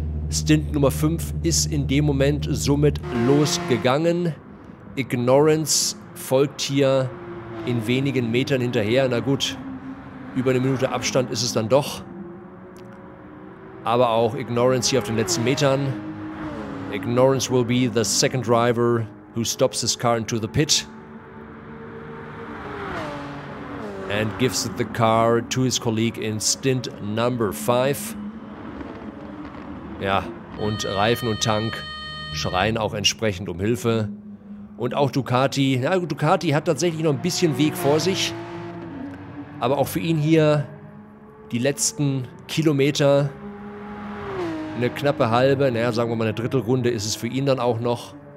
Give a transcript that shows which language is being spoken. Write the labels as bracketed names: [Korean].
[German] Stint Nummer 5 ist in dem Moment somit losgegangen. Ignorance folgt hier in wenigen Metern hinterher. Na gut. Über 1 Minute Abstand ist es dann doch. Aber auch Ignorance hier auf den letzten Metern. [English] Ignorance will be the second driver who stops his car into the pit. and gives the car to his colleague in stint number 5. [German] Ja, und Reifen und Tank schreien auch entsprechend um Hilfe. Und auch Ducati, na gut, Ducati hat tatsächlich noch ein bisschen Weg vor sich. Aber auch für ihn hier die letzten Kilometer, eine knappe halbe, naja, sagen wir mal eine Drittelrunde ist es für ihn dann auch noch.